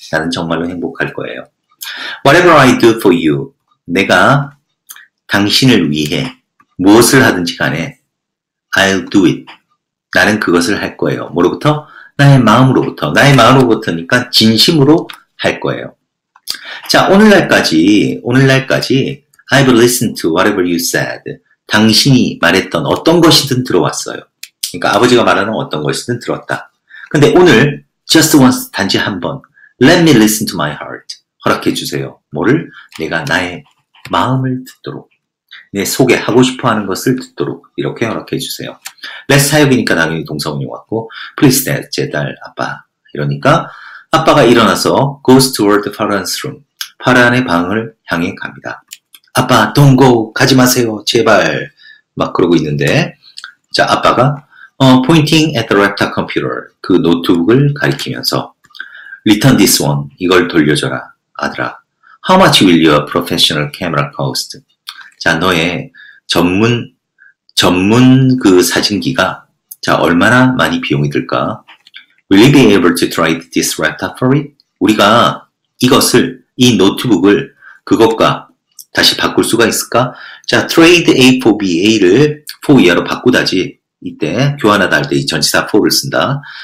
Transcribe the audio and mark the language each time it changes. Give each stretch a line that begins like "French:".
Korean: 나는 정말로 행복할 거예요.
English: Whatever I do for you.
Korean: 내가 당신을 위해 무엇을 하든지 간에
English: I'll do it.
Korean: 나는 그것을 할 거예요. 뭐로부터? 나의 마음으로부터. 나의 마음으로부터니까 진심으로 할 거예요. 자, 오늘날까지
English: I've listened to whatever you said.
Korean: 당신이 말했던 어떤 것이든 들어왔어요. 그러니까 아버지가 말하는 어떤 것이든 들었다. 근데 오늘,
English: just once,
Korean: 단지 한 번,
English: let me listen to my heart.
Korean: 허락해 주세요. 뭐를? 내가 나의 마음을 듣도록. 내 속에 하고 싶어 하는 것을 듣도록. 이렇게 허락해 주세요. Let's 사역이니까 당연히 동사원이 왔고,
English: please,
Korean: 제발, 아빠. 이러니까 아빠가 일어나서
English: goes toward the father's room.
Korean: 파란 안의 방을 향해 갑니다. 아빠,
English: don't go.
Korean: 가지 마세요. 제발. 막 그러고 있는데, 자, 아빠가
English: pointing at the laptop computer.
Korean: 그 노트북을 가리키면서
English: return this one.
Korean: 이걸 돌려줘라.
English: 아들아, how much will your professional camera cost?
Korean: 자, 너의 전문 그 사진기가, 자, 얼마나 많이 비용이 들까?
English: Will you be able to trade this laptop for it?
Korean: 우리가 이것을, 이 노트북을 그것과 다시 바꿀 수가 있을까? 자, trade A for B. A를 for 이하로 바꾸다지. 이때 교환하다 할때이 전치사 for를 쓴다.